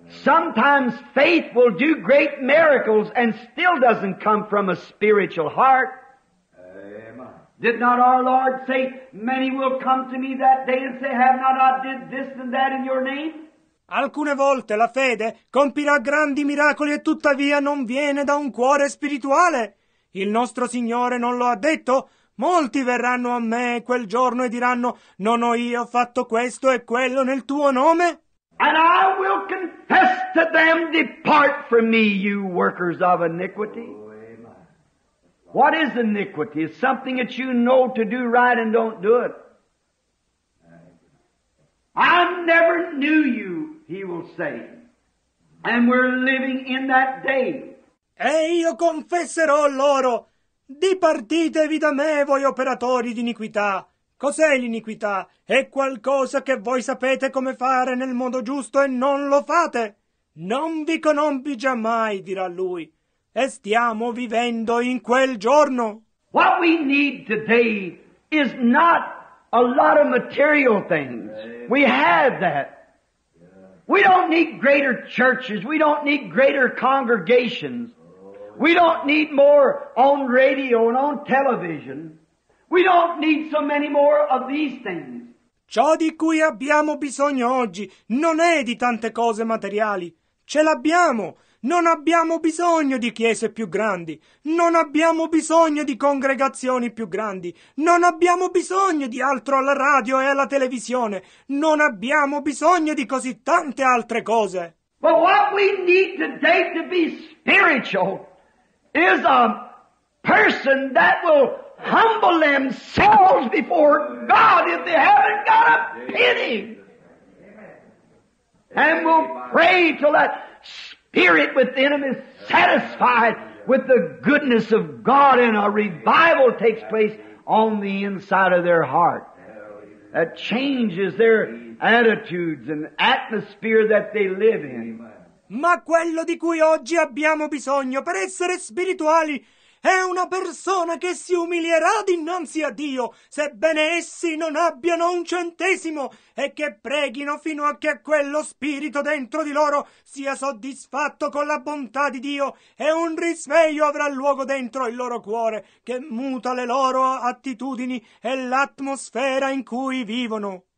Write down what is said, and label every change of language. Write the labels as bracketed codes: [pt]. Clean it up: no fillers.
[en] Sometimes faith will do great miracles and still doesn't come from a spiritual heart. Did not our Lord say, many will come to me that day and say, have not I did this and that in your name? [it] Alcune volte la fede compirà grandi miracoli e tuttavia non viene da un cuore spirituale. Il nostro Signore non lo ha detto? Molti verranno a me quel giorno e diranno, non ho io fatto questo e quello nel tuo nome? [en] And I will confess to them, depart from me, you workers of iniquity. What is iniquity? It's something that you know to do right and don't do it. I never knew you, he will say. And we're living in that day. [it] E io confesserò loro, Dipartitevi da me, voi operatori di iniquità. Cos'è l'iniquità? È qualcosa che voi sapete come fare nel modo giusto e non lo fate. Non vi conobbi giammai, dirà lui. E stiamo vivendo in quel giorno. [en] What we need today is not a lot of material things. We have that. We don't need greater churches. We don't need greater congregations. We don't need more on radio and on television. We don't need so many more of these things. [it] Ciò di cui abbiamo bisogno oggi non è di tante cose materiali. Ce l'abbiamo. Non abbiamo bisogno di chiese più grandi. Non abbiamo bisogno di congregazioni più grandi. Non abbiamo bisogno di altro alla radio e alla televisione. Non abbiamo bisogno di così tante altre cose. [en] But what we need today to be spiritual is a person that will humble themselves before God if they haven't got a penny. And will pray till that spirit within him is satisfied with the goodness of God, and a revival takes place on the inside of their heart. That changes their attitudes and atmosphere that they live in. [it] Ma quello di cui oggi abbiamo bisogno per essere spirituali è una persona che si umilierà dinanzi a Dio, sebbene essi non abbiano un centesimo, e che preghino fino a che quello spirito dentro di loro sia soddisfatto con la bontà di Dio, e un risveglio avrà luogo dentro il loro cuore, che muta le loro attitudini e l'atmosfera in cui vivono.